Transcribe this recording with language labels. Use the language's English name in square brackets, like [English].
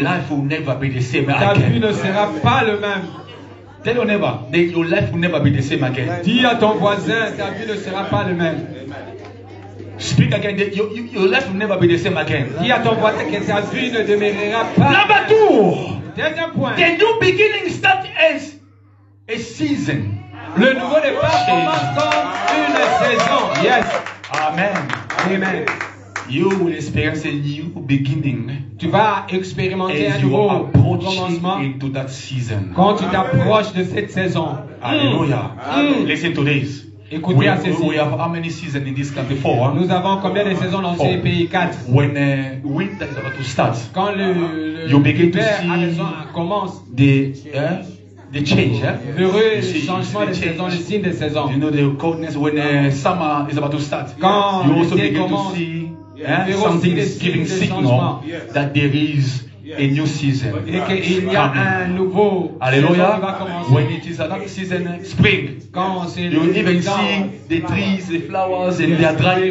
[English] Your life will never be the same again. [French] Ta vie ne sera pas le même. [English] Tell your neighbor that your life will never be the same again. [French] Dis à ton voisin, ta vie ne sera pas le même. [English] Speak again that your life will never be the same again. [French] Dis à ton voisin que ta vie ne demeurera pas. [English] Number two. [French] Deuxième point. [English] The new beginning starts as a season. [French] Le nouveau départ commence comme une saison. [English] Yes. Amen. Amen. You will experience a new beginning. [French] Tu vas expérimenter un nouveau commencement [English] into that season. [French] Quand tu t'approches de cette saison. [English] Alléluia. Listen to this. [French] Écoutez à ceci. [English] We have how many seasons in this country? Four. [French] Nous avons combien de saisons dans ce pays? Quatre. [English] When winter is about to start. [French] Quand le [English] you begin to see [French] commence [English] the change, [French] heureux changement de saison, le signe des saisons. [English] You know the coldness when summer is about to start. [French] Quand [English] you also begin to see something is giving signal that there is a new season. Hallelujah. When it is another season, spring. You even see the trees, the flowers, and they are drying.